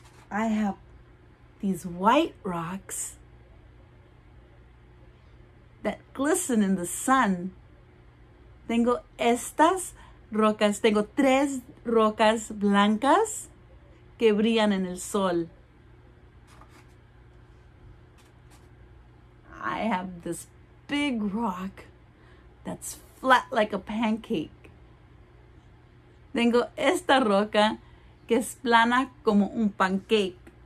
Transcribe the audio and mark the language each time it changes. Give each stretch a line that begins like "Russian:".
English: I have these white rocks that glisten in the sun.
Spanish: Tengo estas rocas. Tengo tres rocas blancas que brillan en el sol.
English: I have this big rock that's flat like a pancake.
Spanish: Tengo esta roca que es plana como un pancake.